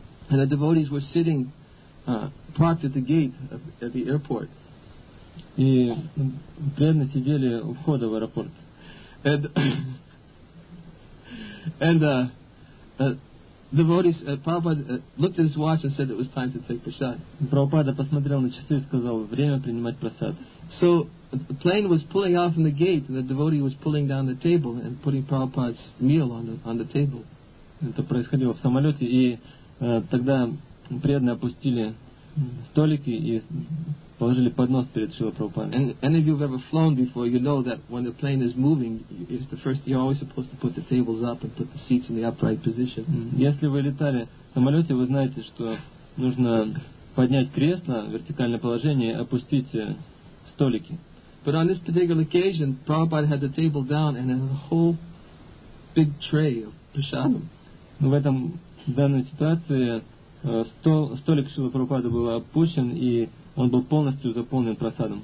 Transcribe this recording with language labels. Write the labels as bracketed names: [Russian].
[English] And the devotees were sitting parked at the gate at the airport. [Russian] И преданные сидели у входа в аэропорт. [English] Prabhupada looked at his watch and said it was time to take prasad. [Russian] Prabhupada посмотрел на часы и сказал, время принимать прасад. [English] So the plane was pulling off from the gate and the devotee was pulling down the table and putting Prabhupada's meal on the table. [Russian] Это происходило в самолете, и тогда преданные опустили столики и положили поднос перед Шрилой Прабхупадой. [English] And any of you have ever flown before, you know that when the plane is moving, it's the first you're always supposed to put the tables up and put the seats in the upright position. [Russian] Если вы летали в самолете, вы знаете, что нужно поднять кресло в вертикальное положение и опустить столики. [English] But on this particular occasion, Prabhupada had the table down and had a whole big tray of prasadam. [Russian] В этом данной ситуации столик Шрилы Прабхупады был опущен и он был полностью заполнен просадом.